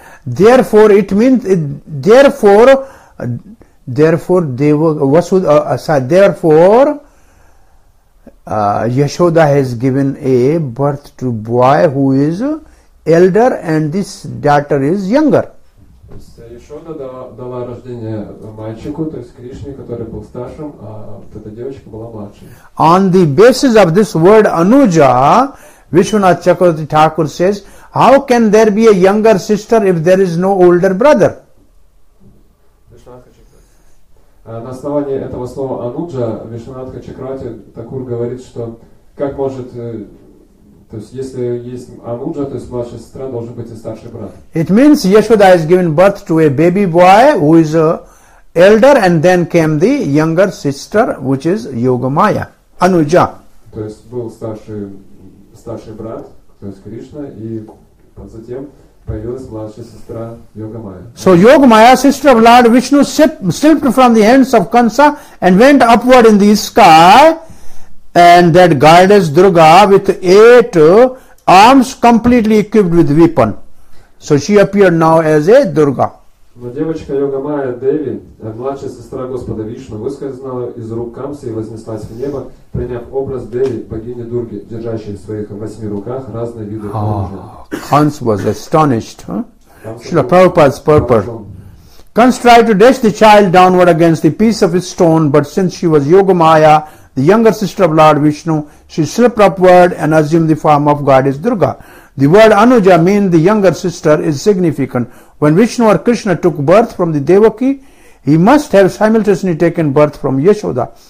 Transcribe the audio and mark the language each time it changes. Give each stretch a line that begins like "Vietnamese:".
English: Therefore, Yashoda has given a birth to boy who is elder, and this daughter is younger.
Russian: То есть Яшода дала рождение мальчику, то есть Кришне, который был старшим, а вот эта девочка была младшей.
English: On the basis of this word Anuja, Vishwanath Chakravarti Thakur says, how can there be a younger sister if there is no older brother?
Russian: На основании этого слова Ануджа, Вишванатха Чакравати Такур говорит, что как может, то есть если есть Ануджа, то есть младшая сестра, должен быть и старший брат.
English: It means Yashoda has given birth to a baby boy who is elder and then came the younger sister, which is Yogamaya, Anuja.
Russian: То есть был старший брат, то есть Кришна, и затем появилась младшая сестра Йогамая.
English: So Йогамая, sister of Lord Vishnu, slipped from the hands of Kansa and went upward in the sky, and that goddess Durga with eight arms completely equipped with weapon. So she appeared now as a Durga.
Russian: Но девочка Йогамая Деви, младшая сестра Господа Вишну, выскользнула из рук Камсы и вознеслась в небо, приняв образ Деви, богини Дурги, держащей в своих восьми руках разные виды оружия.
English: Kans was astonished. Shrila Prabhupada's purport. Kans tried to dash the child downward against the piece of his stone, but since she was Yogamaya, the younger sister of Lord Vishnu, she slipped upward and assumed the form of goddess Durga. The word Anuja means the younger sister is significant. When Vishnu or Krishna took birth from the Devaki, he must have simultaneously taken birth from Yashoda.